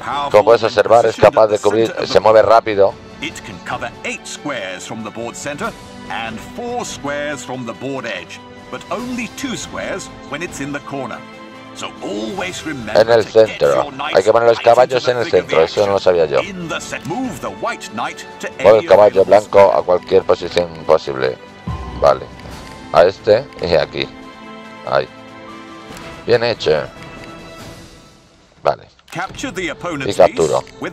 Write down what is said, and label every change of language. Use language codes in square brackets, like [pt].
[es] Como puedes observar, es capaz de cubrir. Se mueve rápido. [en] It can cover 8 squares from the board center and 4 squares from the board edge, but only 2 squares when it's in the corner. So always remember. [es] En el centro. Hay que poner los caballos en el centro, eso no lo sabía yo. [en] Move the white knight to any [es] Mueve el caballo blanco a cualquier posición posible. Vale. A este y aquí. Ahí. Bien hecho. Vale. y capturo.